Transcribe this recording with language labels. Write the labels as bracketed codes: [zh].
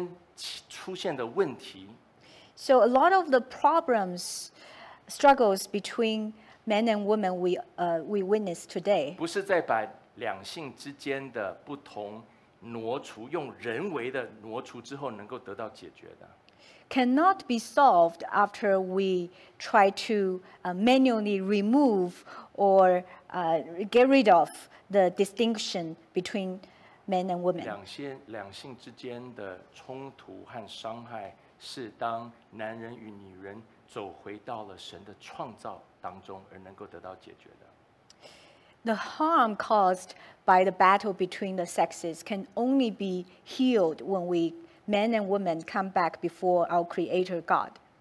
[zh] 今天在男女之间出现的问题。 [en] So a lot of the problems, struggles between men and women we witness today. [zh] 不是在把两性之间的不同挪除，用人为的挪除之后能够得到解决的。 [en] Cannot be solved after we try to manually remove or get rid of the distinction between men and women. [zh] 两性之间的冲突和伤害是当男人与女人走回到了神的创造当中而能够得到解决的。 [en] The harm caused by the battle between the sexes can only be healed when we men and women come back before our Creator God.